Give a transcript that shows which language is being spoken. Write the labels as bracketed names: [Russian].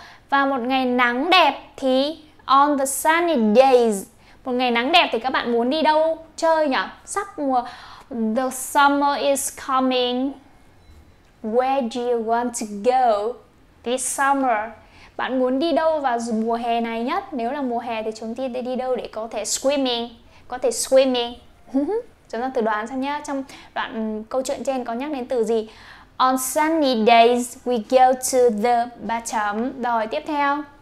[Vietnamese] Và một ngày nắng đẹp thì [English] on the sunny days. [Vietnamese] Một ngày nắng đẹp thì các bạn muốn đi đâu chơi nhỉ? Sắp mùa. [English] The summer is coming. Where do you want to go this summer? [Vietnamese] Bạn muốn đi đâu vào mùa hè này nhất? Nếu là mùa hè thì chúng ta đi đâu để có thể swimming. Chúng ta thử đoán xem nhé, trong đoạn câu chuyện trên có nhắc đến từ gì. [English] On sunny days we go to the [Vietnamese] ba chấm. Rồi tiếp theo.